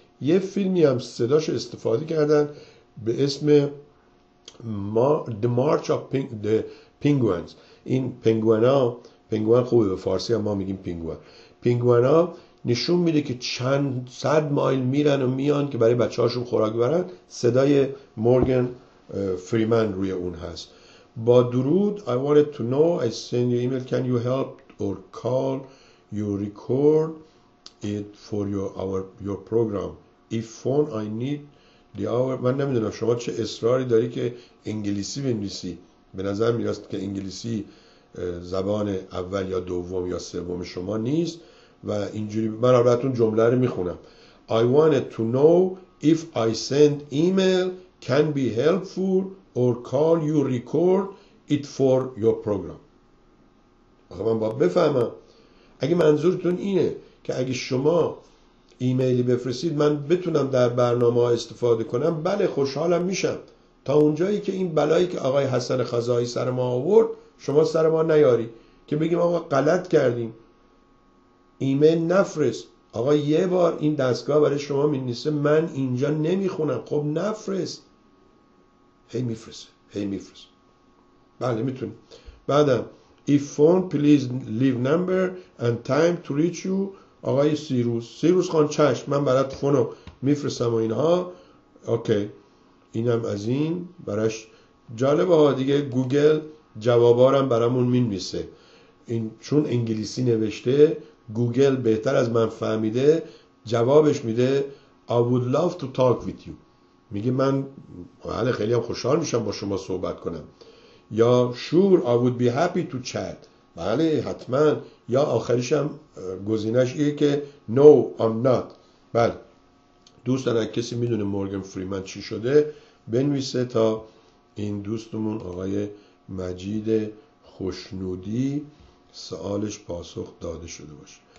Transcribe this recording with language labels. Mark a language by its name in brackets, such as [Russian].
[Persian] یه فیلمی هم صداش استفاده کردن به اسم The March of the Penguins. این پنگوئن ها، پنگوئن خوبه، به فارسی هم ما میگیم پنگوئن. پنگوئن ها نشون میده که چند صد مایل میرن و میان که برای بچه هاشون خوراک ببرن. صدای مورگان فریمن روی اون هست. با درود. [English] I wanted to know, I send you email, can you help or call you record it for your program if phone I need the hour. [Persian] من نمیدونم شما چه اصراری داری که انگلیسی بنویسی. به نظر میاد که انگلیسی زبان اول یا دوم یا سوم شما نیست. و اینجوری من براتون جمله رو میخونم. [English] I wanted to know if I send email can be helpful or call you record it for your program. [Persian] آخه من باید بفهمم اگه منظورتون اینه که اگه شما ایمیلی بفرستید من بتونم در برنامه استفاده کنم، بله خوشحالم میشم. تا اونجایی که این بلایی که آقای حسن خزایی سر ما آورد شما سر ما نیاری که بگیم آقا غلط کردیم، ایمیل نفرست. آقا یه بار این دستگاه برای شما می‌نویسه من اینجا نمیخونم، خب نفرست. هی میفرست. بله میتونی. بعدم [English] if phone please leave number and time to reach you. [Persian] آقای سیروس خان چشم، من برات فونو میفرستم و اینها. اوکی اینم از این براش. جالبه ها دیگه، گوگل جوابارم برامون مینویسه. این چون انگلیسی نوشته گوگل بهتر از من فهمیده جوابش میده. [English] I would love to talk with you. [Persian] میگه من بله خیلی هم خوشحال میشم با شما صحبت کنم. یا [English] sure I would be happy to chat. [Persian] بله حتما. یا آخریش هم گزینش ایه که [English] no I'm not. [Persian] بله دوستان اگه کسی میدونه مورگان فریمن چی شده بنویسه تا این دوستمون آقای مجید خوشنودی سوالش پاسخ داده شده باشه.